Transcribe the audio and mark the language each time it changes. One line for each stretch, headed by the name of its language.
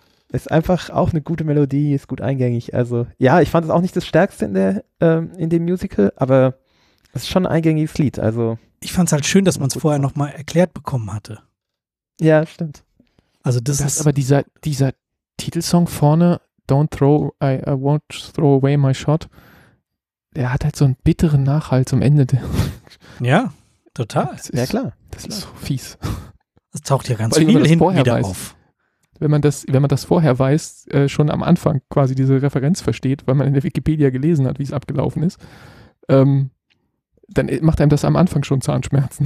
German: Ist einfach auch eine gute Melodie, ist gut eingängig. Also, ja, ich fand es auch nicht das Stärkste in dem Musical, aber es ist schon ein eingängiges Lied. Also, ich fand es halt schön, dass man es vorher nochmal erklärt bekommen hatte. Ja, stimmt. Also, das ist. Aber dieser Titelsong vorne.
English: I won't throw away my shot.
German: Der hat halt so einen bitteren Nachhall zum Ende. Ja, total. Ist, ja, klar. Das klar. Ist so fies. Das taucht ja ganz viel hinten wieder weiß, auf. Wenn man das vorher weiß, schon am Anfang quasi diese Referenz versteht, weil man in der Wikipedia gelesen hat, wie es abgelaufen ist, dann macht einem das am Anfang schon Zahnschmerzen.